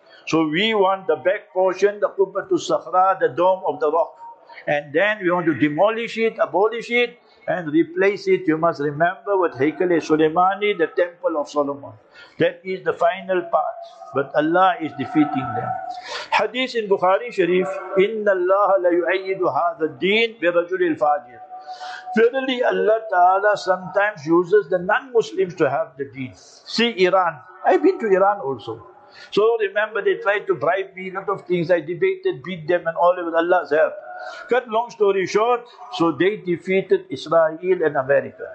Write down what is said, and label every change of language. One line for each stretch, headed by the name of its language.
English: So we want the back portion, the Qubbatul Sakhra, the Dome of the Rock. And then we want to demolish it, abolish it, and replace it, you must remember, with Haikal-e Suleimani, the Temple of Solomon. That is the final part. But Allah is defeating them. Hadith in Bukhari Sharif,
Arabic: إِنَّ اللَّهَ لَيُعَيِّدُ هَذَا الدِّينَ بِرَجُلِ الْفَاجِرِ.
English: Verily Allah Ta'ala sometimes uses the non-Muslims to have the deen. See Iran. I've been to Iran also. So remember, they tried to bribe me, a lot of things. I debated, beat them and all with Allah's help. Cut long story short, so they defeated Israel and America.